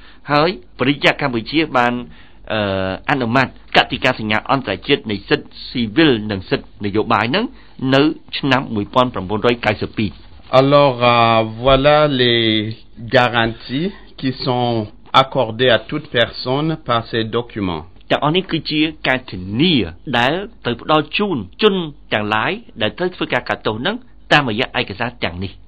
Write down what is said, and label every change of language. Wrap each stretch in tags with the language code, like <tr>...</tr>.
<km>ហើយប្រជាកម្ពុជាបានអនុម័តកតិកាសញ្ញាអន្តរជាតិនៃសិទ្ធិស៊ីវិលនិងសិទ្ធិនយោបាយនឹងនៅឆ្នាំ1992</km> <fr>Alors voilà les garanties qui sont accordées à toute personne par ces documents</fr> <km>តើអនិកជាការធានាដែលត្រូវផ្ដល់ជូនជនទាំងឡាយដែលត្រូវធ្វើការកាត់ទោសនឹងតាមរយៈឯកសារទាំងនេះ</km>